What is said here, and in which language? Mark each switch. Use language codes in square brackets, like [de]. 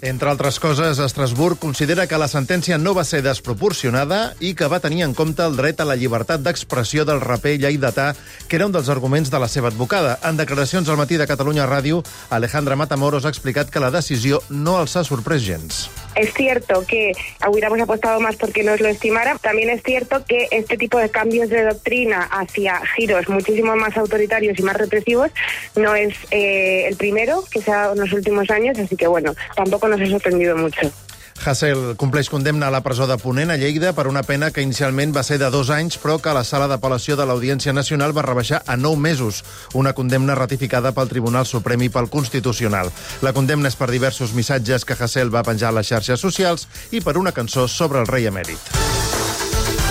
[ca] Entre altres coses, Estrasburg considera que la sentència no va ser desproporcionada i que va tenir en compte el dret a la llibertat d'expressió del raper lleidatà, que era un dels arguments de la seva advocada. En declaracions al matí de Catalunya Ràdio, Alejandra Matamoros ha explicat que la decisió no els ha sorprès gens. [es] Es cierto que hubiéramos apostado más porque nos lo estimara. También es cierto que este tipo de cambios de doctrina hacia giros muchísimo más autoritarios y más represivos no es el primero que se ha dado en los últimos años, así que bueno, tampoco nos ha sorprendido mucho. [ca] Hasél compleix condemna a la presó de Ponent, a Lleida, per una pena que inicialment va ser de 2 anys, però que la sala d'apel·lació de l'Audiència Nacional va rebaixar a 9 mesos, una condemna ratificada pel Tribunal Suprem i pel Constitucional. La condemna és per diversos missatges que Hasél va penjar a les xarxes socials i per una cançó sobre el rei emèrit.